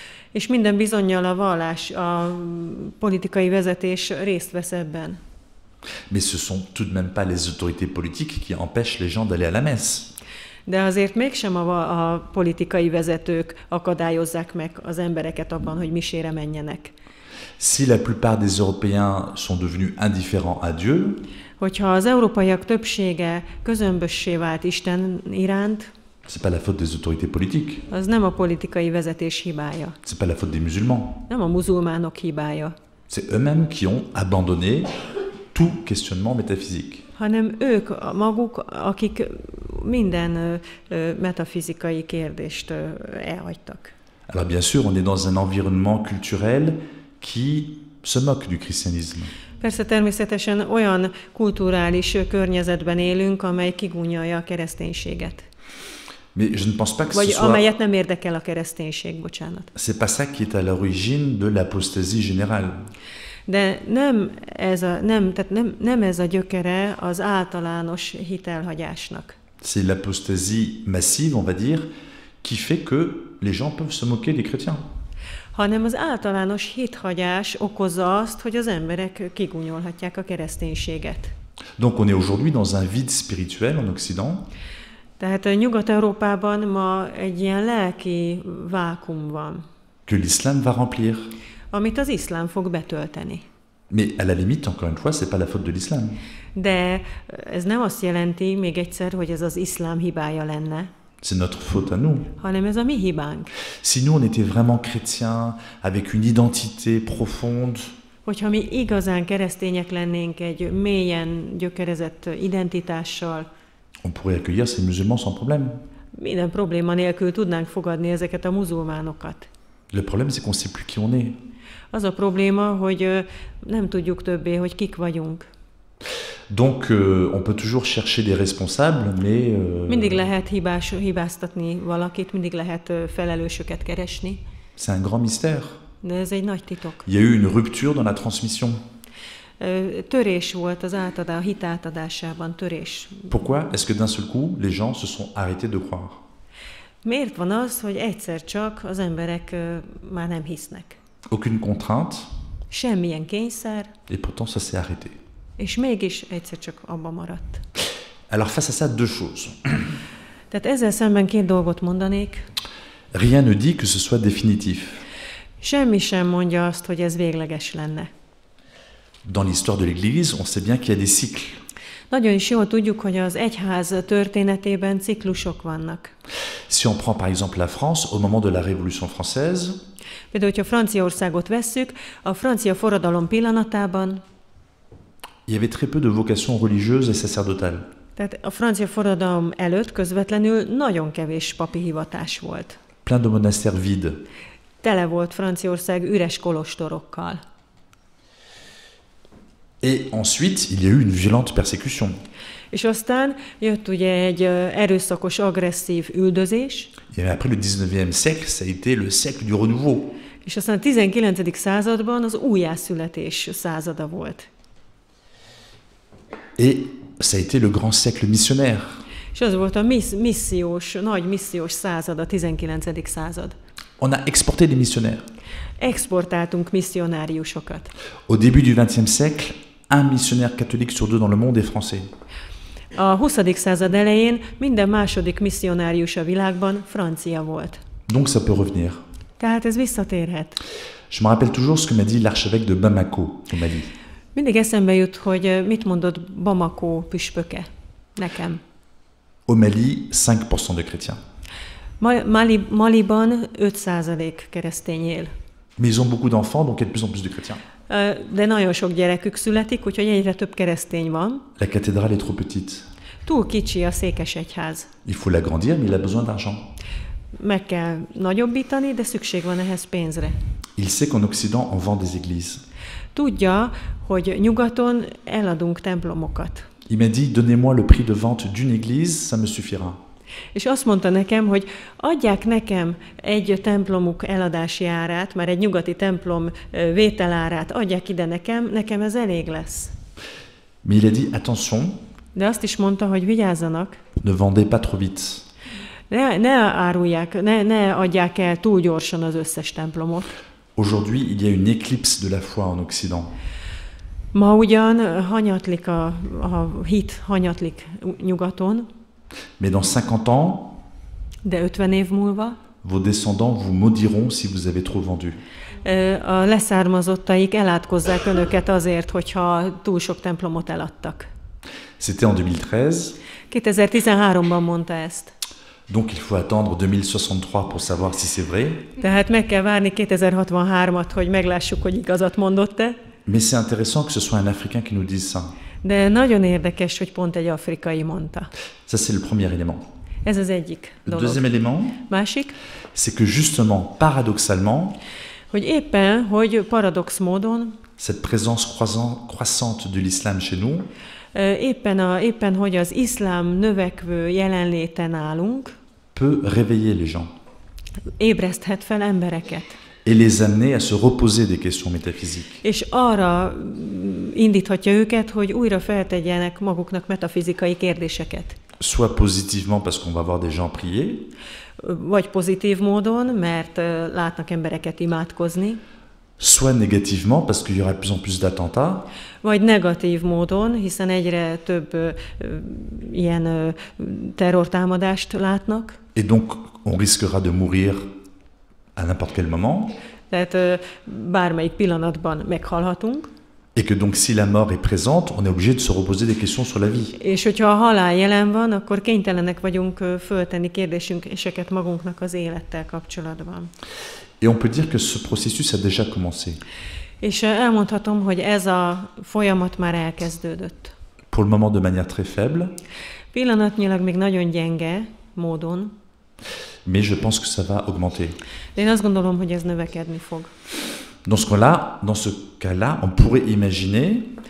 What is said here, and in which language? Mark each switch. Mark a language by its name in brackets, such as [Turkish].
[Hungarian] És minden bizonnyal a vallás, a politikai vezetés részt vesz ebben. [French] Mais ce sont tout de même pas les autorités politiques qui empêchent les gens d'aller à la messe. [Hungarian] De azért mégsem a politikai vezetők akadályozzák meg az embereket abban, hogy misére menjenek. [French] Si la plupart des Européens sont devenus indifférents à Dieu, [Hungarian] hogyha az európaiak többsége közömbössé vált Isten iránt, [French] c'est pas la faute des autorités politiques. [Hungarian] Az nem a politikai vezetés hibája. [French] C'est pas la faute des musulmans. [Hungarian] Nem a muzulmánok hibája. [French] C'est eux-mêmes qui ont abandonné tout questionnement métaphysique. [Hungarian] Hanem ők maguk, akik minden metafizikai kérdést elhagytak. [French] Alors bien sûr, on est dans un environnement culturel qui se moque du christianisme. [Hungarian] Persze, természetesen olyan kulturális környezetben élünk, amely kigúnyolja a kereszténységet. [French] Mais je ne pense pas que [Hungarian] vagy [French] ce soit... [Hungarian] amelyet nem érdekel a kereszténység, bocsánat. [French] C'est pas ça qui est à l'origine de l'apostasie générale. [Hungarian] De nem ez a, nem, tehát nem, nem ez a gyökere az általános hitelhagyásnak. [French] C'est l'apostasie massive, on va dire, qui fait que les gens peuvent se moquer des chrétiens. [Hungarian] Hanem az általános hithagyás okozza azt, hogy az emberek kigúnyolhatják a kereszténységet. [French] Donc on est aujourd'hui dans un vide spirituel en Occident. [Hungarian] Tehát a Nyugat-Európában ma egy ilyen lelki vákum van. [French] Que l'islam va remplir. [Hungarian] Amit az iszlám fog betölteni. [French] Mais à la limite, encore une fois, c'est pas la faute de l'islam. [Hungarian] De ez nem azt jelenti, még egyszer, hogy ez az iszlám hibája lenne. [French] C'est notre faute à nous. [Hungarian] Hanem ez a mi hibánk. [French] Si nous, on était vraiment chrétiens, avec une identité profonde. [Hungarian] Hogyha mi igazán keresztények lennénk egy mélyen gyökerezett identitással. [French] On pourrait accueillir ces musulmans sans problème. [Hungarian] Minden probléma nélkül tudnánk fogadni ezeket a muzulmánokat. [French] Le problème, c'est qu'on ne sait plus qui on est. [Hungarian] Az a probléma, hogy nem tudjuk többé, hogy kik vagyunk. [French] Donc, on peut toujours chercher des responsables, mais... [Hungarian] Mindig lehet hibáztatni valakit, mindig lehet felelősöket keresni. [French] C'est un grand mystère. [Hungarian] De ez egy nagy titok. [French] Il y a eu une rupture dans la transmission. [Hungarian] Törés volt az átadás, a hit átadásában törés. [French] Pourquoi est-ce que d'un seul coup, les gens se sont arrêtés de croire? [Hungarian] Miért van az, hogy egyszer csak az emberek már nem hisznek? [French] Aucune contrainte. [Hungarian] Semmilyen kényszer. [French] Et pourtant, ça s'est arrêté. [Hungarian] És mégis egyszer csak abba maradt. [French] Alors face à ça, deux choses. [Hungarian] Tehát ezzel szemben két dolgot mondanék. [French] Rien ne dit que ce soit définitif. [Hungarian] Semmi sem mondja azt, hogy ez végleges lenne. [French] Dans l'histoire de l'Église, on sait bien qu'il y a des cycles. [Hungarian] Nagyon is jól tudjuk, hogy az egyház történetében ciklusok vannak. [French] Si on prend par exemple la France, au moment de la Révolution française, [Hungarian] például, hogyha Franciaországot vesszük, a francia forradalom pillanatában, [French] il y avait très peu de vocations religieuses et sacerdotales. [Hungarian] Tehát a francia forradalom előtt közvetlenül nagyon kevés papi hivatás volt. [French] Plein de monastères vides. [Hungarian] Tele volt Franciaország üres kolostorokkal. [French] Et ensuite, il y a eu une violente persécution. [Hungarian] És aztán jött ugye egy erőszakos, agresszív üldözés. [French] Et après le 19e siècle, ça a été le siècle du renouveau. [Hungarian] És aztán a 19. században az újjászületés százada volt. [French] Et ça a été le grand siècle missionnaire. [Hungarian] És az volt a missziós, nagy missziós század, a 19. század. [French] On a exporté des missionnaires. [Hungarian] Exportáltunk missionáriusokat. [French] Au début du 20e siècle, un missionnaire catholique sur deux dans le monde est français. [Hungarian] A 20. század elején minden második missionárius a világban francia volt. [French] Donc ça peut revenir. [Hungarian] Tehát ez visszatérhet. [French] Je me rappelle toujours ce que m'a dit l'archevêque de Bamako, au Mali. [Hungarian] Mindig eszembe jut, hogy mit mondott Bamako püspöke nekem. [French] Au Mali, 5% de chrétiens. [Hungarian] Maliban 5% keresztény él. [French] Mais ils ont beaucoup d'enfants, donc il y a de plus en plus de chrétiens. [Hungarian] De nagyon sok gyerekük születik, úgyhogy egyre több keresztény van. [French] La cathédrale est trop petite. [Hungarian] Túl kicsi a székesegyház. [French] Il faut l'agrandir, mais il a besoin d'argent. [Hungarian] Meg kell nagyobbítani, de szükség van ehhez pénzre. [French] Il sait qu'en Occident, on vend des églises. [Hungarian] Tudja, hogy nyugaton eladunk templomokat. [French] Il m'a dit, donnez-moi le prix de vente d'une église, ça me suffira. [Hungarian] És azt mondta nekem, hogy adják nekem egy templomuk eladási árát, már egy nyugati templom vételárát, adják ide nekem, nekem ez elég lesz. [French] Mais il a dit, attention, [Hungarian] de azt is mondta, hogy vigyázzanak. [French] Ne vendez pas trop vite. [Hungarian] Ne árulják, ne adják el túl gyorsan az összes templomot. [French] Aujourd'hui, il y a une éclipse de la foi en Occident. [Hungarian] Ma ugyan hanyatlik a hit, hanyatlik nyugaton. [French] Mais dans 50 ans, [Hungarian] de 50 év múlva, [French] vos descendants vous maudiront si vous avez trop vendu. [Hungarian] A leszármazottaik elátkozzák önöket azért, hogyha túl sok templomot eladtak. [French] C'était en 2013. [Hungarian] 2013-ban mondta ezt. [French] Donc il faut attendre 2063 pour savoir si c'est vrai. [Hungarian] Tehát meg kell várni 2063-at, hogy meglássuk, hogy igazat mondott-e. [French] Mais c'est intéressant que ce soit un Africain qui nous dise ça. [Hungarian] De nagyon érdekes, hogy pont egy afrikai mondta. [French] Ça, c'est le premier élément. [Hungarian] Ez az egyik dolog. [French] Le deuxième élément, [Hungarian] másik, [French] c'est que justement, paradoxalement, [Hungarian] hogy éppen, hogy paradox módon, [French] cette présence croissante de l'islam chez nous, [Hungarian] éppen hogy az iszlám növekvő jelenléte nálunk, [French] peut réveiller les gens. [Hungarian] Ébreszthet fel embereket. [French] Et les amener à se reposer des questions métaphysiques. [Hungarian] És arra indíthatja őket, hogy újra feltegyenek maguknak metafizikai kérdéseket. [French] Soit positivement parce qu'on va voir des gens prier. [Hungarian] Vagy pozitív módon, mert látnak embereket imádkozni. [French] Soit négativement parce qu'il y aura de plus en plus d'attentats. [Hungarian] Vagy negatív módon, hiszen egyre több ilyen terrortámadást látnak. [French] Et donc on risquera de mourir à n'importe quel moment. [Hungarian] Tehát bármelyik pillanatban meghalhatunk. [French] Et que donc si la mort est présente, on est obligé de se reposer des questions sur la vie. [Hungarian] És hogyha a halál jelen van, akkor kénytelenek vagyunk föltenni kérdéseket magunknak az élettel kapcsolatban. [French] Et on peut dire que ce processus a déjà commencé. [Hungarian] És elmondhatom, hogy ez a folyamat már elkezdődött. [French] Pour le moment de manière très faible. [Hungarian] Pillanatnyilag még nagyon gyenge módon. [French] Mais je pense que ça va augmenter. [Hungarian] Én azt gondolom, hogy ez növekedni fog. [French] Dans ce cas-là, on pourrait imaginer